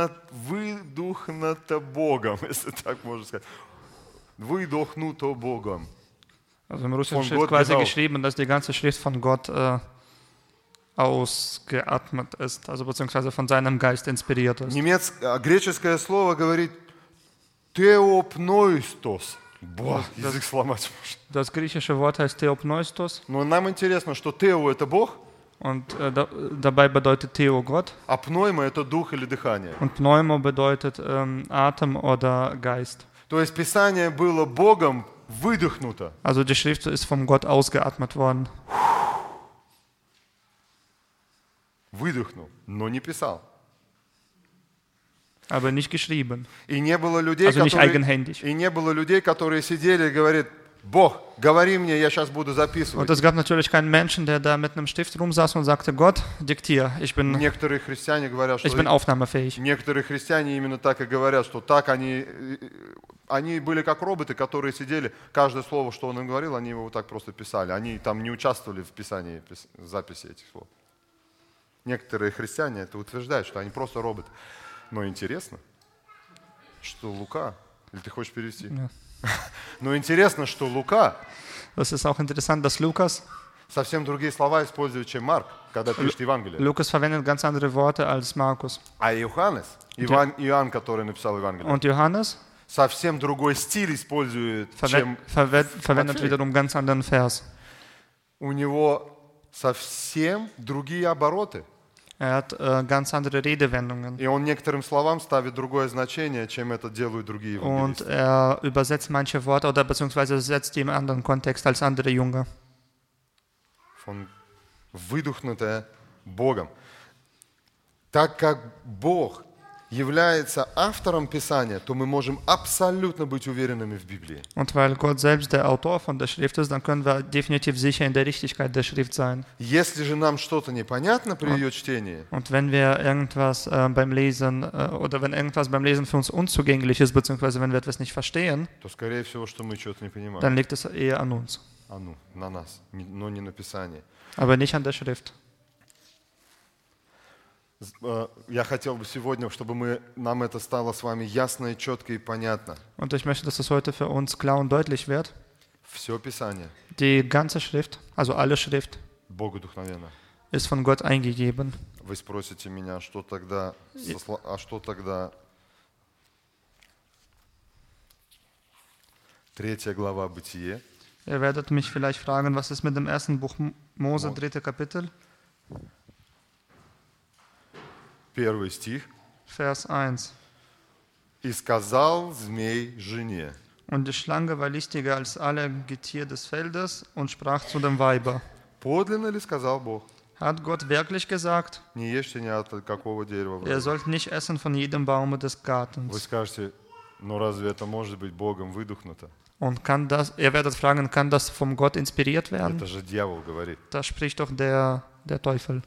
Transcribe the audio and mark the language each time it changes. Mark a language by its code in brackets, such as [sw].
[ru] выдохнуто Богом, если так можно сказать. Выдохнуто Богом. [de] Also im Russischen steht quasi genau geschrieben, dass die ganze Schrift von Gott ausgeatmet ist, also beziehungsweise von seinem Geist inspiriert ist. [ru] Греческое слово говорит «теопнойстос». Язык сломать можно. [de] Das griechische Wort heißt «теопнойстос». [ru] Но нам интересно, что «тео» — это Бог. [de] Und dabei bedeutet «тео» — Gott. [ru] А «пнойма» — это дух или дыхание. [de] Und «пнойма» bedeutet «атом» oder «гайст». [ru] То есть Писание было Богом выдохнуто. [de] Also die Schrift ist von Gott ausgeatmet worden. [ru] Выдохнул, но не писал. [de] Aber nicht geschrieben. [ru] И не было людей, [de] also nicht eigenhändig. [ru] И не было людей, которые сидели и говорят: «Бог, говори мне, я сейчас буду записывать». [de] Und es gab natürlich keinen Menschen, der da mit einem Stift rumsaß und sagte: «Gott, diktier, ich bin». [ru] Некоторые христиане говорят, что [de] ich bin aufnahmefähig. [ru] Некоторые христиане именно так и говорят, что так они были как роботы, которые сидели, каждое слово, что он им говорил, они его вот так просто писали. Они там не участвовали в писании, записи этих слов. Некоторые христиане это утверждают, что они просто роботы. Но интересно, что Лука, или ты хочешь перевести? Yeah. Но интересно, что Лука, [de] das ist auch interessant, dass Lukas, [ru] совсем другие слова использует, чем Марк, когда пишет Евангелие. [de] Lukas verwendet ganz andere Worte als Markus. [ru] А Иоханнес, Иван, Иоанн, который написал Евангелие. [de] Und Johannes? [ru] Совсем другой стиль использует, [de] verwendet wiederum ganz anderen Vers. [ru] У него совсем другие обороты. [de] Ganz andere Redewendungen. [ru] И он некоторым словам ставит другое значение, чем это делают другие евангелисты. [de] Und übersetzt manche Worte oder beziehungsweise setzt die im anderen Kontext als andere Jünger. Von [ru] выдохнутое Богом. Так как Бог является автором Писания, то мы можем абсолютно быть уверенными в Библии. [de] Und weil Gott selbst der Autor von der Schrift ist, dann können wir definitiv sicher in der Richtigkeit der Schrift sein. [ru] Если же нам что-то непонятно при ее чтении, [de] und wenn wir irgendwas beim Lesen oder wenn irgendwas beim Lesen für uns unzugänglich ist, beziehungsweise wenn wir etwas nicht verstehen, [ru] то скорее всего, что мы что-то не понимаем. [de] Dann liegt es eher an uns. [ru] На нас, но не на Писании. [de] Aber nicht an der Schrift. [ru] Я хотел бы сегодня, чтобы нам это стало с вами ясно, четко и понятно. [de] Und ich möchte, dass es heute für uns klar und deutlich wird. [ru] Все Писание. [de] Die ganze Schrift, also alle Schrift, [ru] Богу вдохновенно. [de] Ist von Gott eingegeben. [ru] Вы спросите меня, что тогда, а что тогда? Третья глава Бытие. [de] Ihr werdet mich vielleicht fragen, was ist mit dem ersten Buch Mose, dritte Kapitel? [ru] Первый стих. [de] Vers 1. [ru] И сказал змей жене. [de] Und die Schlange war listiger als alle Getier des Feldes und sprach zu dem Weibe. [ru] Подлинно ли сказал Бог? [de] Hat Gott wirklich gesagt? [ru] Не ешьте ни от какого дерева. [de] Ihr sollt nicht essen von jedem Baume des Gartens. [ru] Вы скажете, но разве это может быть Богом выдохнуто? [de] Und kann das, ihr werdet fragen, kann das vom Gott inspiriert werden? [ru] Это же дьявол говорит. [de] Da spricht doch der Teufel.